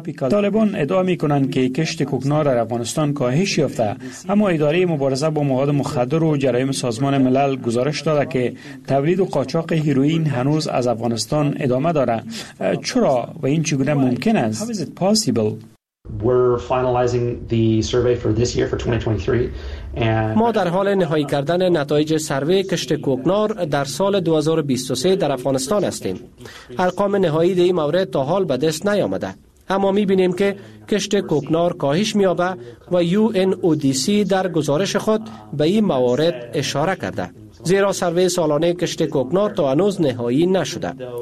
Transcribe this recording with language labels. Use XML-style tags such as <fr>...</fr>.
<fa>طالبان ادعا می کنند که کشت کوکنار در افغانستان کاهش یافته، اما اداره مبارزه با مواد مخدر و جرایم سازمان ملل گزارش داده که تولید و قاچاق هیروئین هنوز از افغانستان ادامه داره. چرا و این چگونه ممکن است؟</fa> <en>We're finalizing the survey for this year for 2023 and</en> <fa>ما در حال نهایی کردن نتایج سروی کشت کوکنار در سال 2023 در افغانستان هستیم. ارقام نهایی در این مورد تا حال به دست نیامده، اما می‌بینیم که کشت کوکنار کاهش می‌یابد و UNODC در گزارش خود به این موارد اشاره کرده، زیرا سروی سالانه کشت کوکنار تا هنوز نهایی نشده.</fa>